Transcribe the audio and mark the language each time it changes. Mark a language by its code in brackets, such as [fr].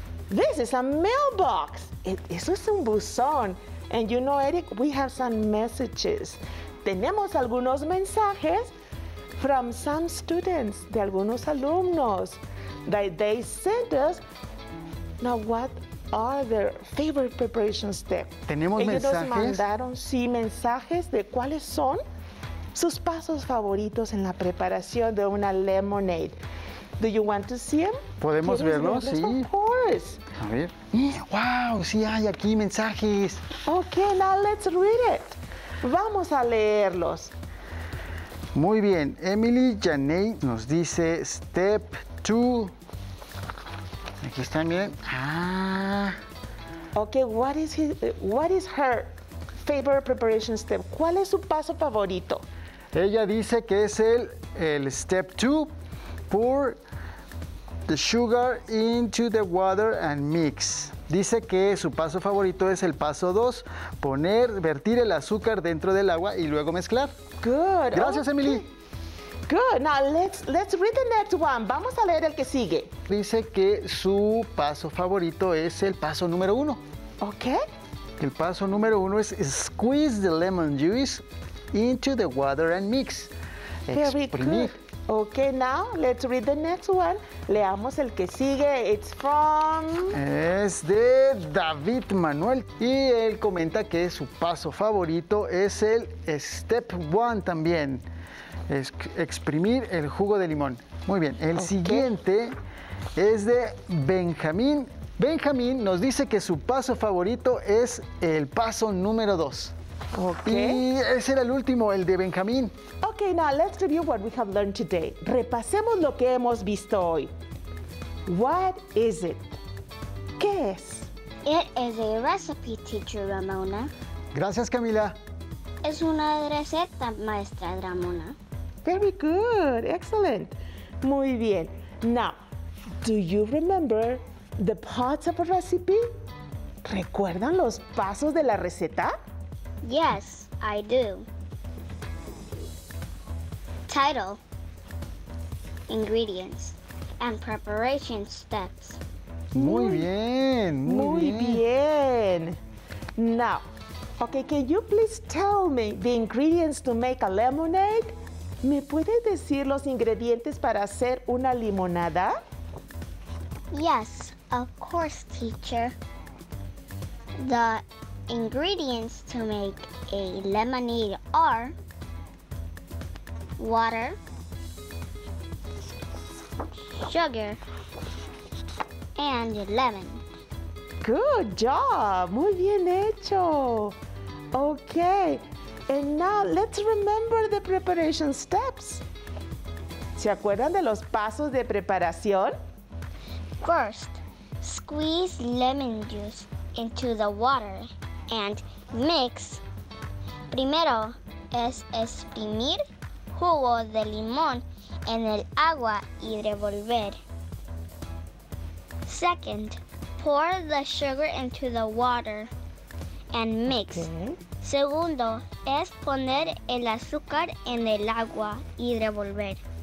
[en] This is a mailbox. [es] Eso es un buzón. [en] And you know, Eric, we have some messages. [es] Tenemos algunos mensajes. [en] From some students, [es] de algunos alumnos, [en] that they sent us. Now, what are their favorite preparation steps? [es] Tenemos ellos mensajes. Ellos mandaron, sí, mensajes de cuáles son sus pasos favoritos en la preparación de una lemonade. [en] Do you want to see them? [es] Podemos verlos, sí. [en] Of course. [es] A ver. Wow, sí hay aquí mensajes. [en] Okay, now let's read it. [es] Vamos a leerlos. Muy bien, Emily Janey nos dice step two. Aquí está, miren. Ah. [en] Okay, what is her favorite preparation step? [es] ¿Cuál es su paso favorito? Ella dice que es el step two. [en] Pour the sugar into the water and mix. [es] Dice que su paso favorito es el paso dos, vertir el azúcar dentro del agua y luego mezclar. [en] Good. [es] Gracias, [en] okay. Emily. Good. Now let's read the next one. [es] Vamos a leer el que sigue. Dice que su paso favorito es el paso número uno. [en] Okay. [es] El paso número uno es [en] squeeze the lemon juice into the water and mix. Very good. Okay, now let's read the next one. [es] Leamos el que sigue. [en] It's from... [es] Es de David Manuel. Y él comenta que su paso favorito es el step one también. Es exprimir el jugo de limón. Muy bien. El siguiente es de Benjamín. Benjamín nos dice que su paso favorito es el paso número 2. [en] Okay. [es] Y ese era el último, el de Benjamín. [en] Ok, now let's review what we have learned today. [es] Repasemos lo que hemos visto hoy. [en] What is it? [es] ¿Qué es? [en] It is a recipe, teacher Ramona. [es] Gracias, Camila. Es una receta, maestra Ramona. [en] Very good, excellent. [es] Muy bien. [en] Now, do you remember the parts of a recipe? [es] ¿Recuerdan los pasos de la receta? [en] Yes, I do. Title, ingredients, and preparation steps. [es] Muy bien, muy bien. [en] Now, okay, can you please tell me the ingredients to make a lemonade? [es] ¿Me puedes decir los ingredientes para hacer una limonada? [en] Yes, of course, teacher. The ingredients to make a lemonade are water, sugar, and lemon. Good job! [es] Muy bien hecho! [en] Okay, and now let's remember the preparation steps. [es] ¿Se acuerdan de los pasos de preparación? [en] First, squeeze lemon juice into the water and mix. [es] Primero es exprimir jugo de limón en el agua y revolver. [en] Second, pour the sugar into the water and mix. Okay. [es] Segundo es poner el azúcar en el agua y revolver.